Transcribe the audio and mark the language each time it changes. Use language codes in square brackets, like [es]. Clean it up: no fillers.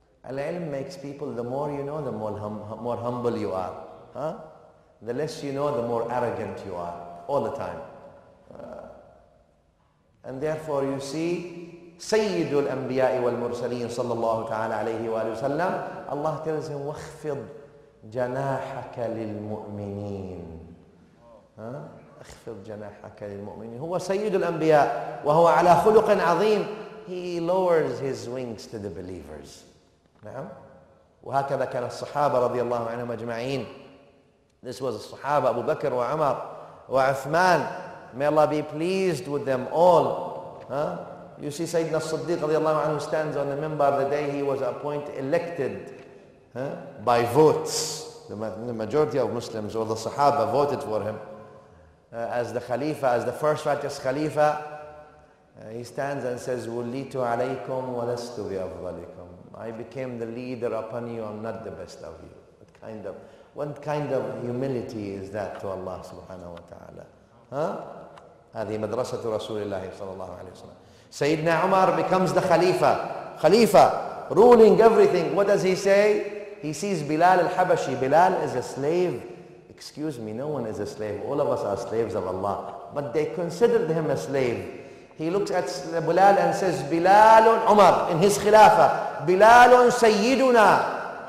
[en] العلم makes people, the more you know, the more humble you are. Huh? The less you know, the more arrogant you are, all the time. And therefore you see, [ar] سيد الأنبياء والمرسلين صلى الله تعالى عليه وآله وسلم, الله [en] tells him, [ar] واخفض جناحك للمؤمنين. اخفض جناحك للمؤمنين. هو سيد الأنبياء وهو على خلق عظيم. [en] He lowers his wings to the believers. [ar] نعم. وهكذا كان الصحابة رضي الله عنهم أجمعين. [en] This was [ar] الصحابة أبو بكر وعمر وعثمان. [en] May Allah be pleased with them all. You see Sayyidina al-Siddiq [ar] رضي الله عنه [en] stands on the minbar the day he was appointed, elected by votes. The majority of Muslims or the Sahaba voted for him as the Khalifa, as the first righteous Khalifa. [ar] He stands and says, وَلِّيْتُ عَلَيْكُمْ وَلَسْتُ بِأَفْضَلِكُمْ. [en] I became the leader upon you, I'm not the best of you. What kind of humility is that to Allah subhanahu wa ta'ala? [ar] هذه مدرسة رسول الله صلى الله عليه وسلم. [en] سيدنا عمر becomes the Khalifa. Khalifa, ruling everything. What does he say? He sees Bilal al-Habashi. Bilal is a slave. Excuse me, no one is a slave. All of us are slaves of Allah. But they considered him a slave. He looks at Bilal and says, Bilal Umar, in his Khilafah, Bilal Sayyiduna.